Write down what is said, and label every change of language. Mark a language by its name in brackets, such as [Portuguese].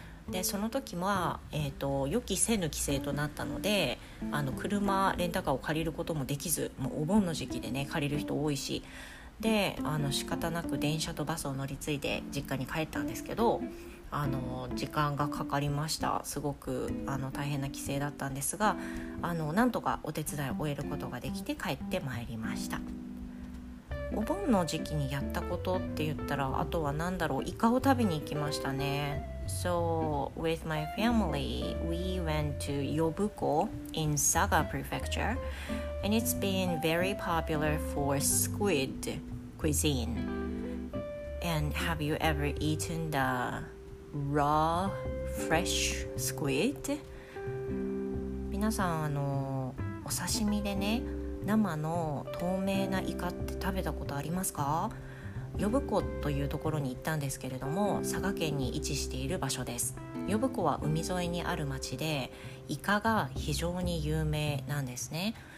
[Japanese] でその時は、予期せぬ帰省となったので、車レンタカーを借りることもできず、もうお盆の時期でね借りる人多いし、で仕方なく電車とバスを乗り継いで実家に帰ったんですけど、時間がかかりました。すごく大変な帰省だったんですが、なんとかお手伝いを終えることができて帰ってまいりました。お盆の時期にやったことって言ったら、あとはなんだろう、イカを食べに行きましたね。 [English] So with my family, we went to Yobuko in Saga Prefecture, and it's been very popular for squid cuisine. And have you ever eaten the raw, fresh squid? [Japanese] 皆さん、お刺身でね、生の透明なイカって食べたことありますか？ヨブコというところに行ったんですけれども、佐賀県に位置している場所です。ヨブコは海沿いにある町でイカが非常に有名なんですね。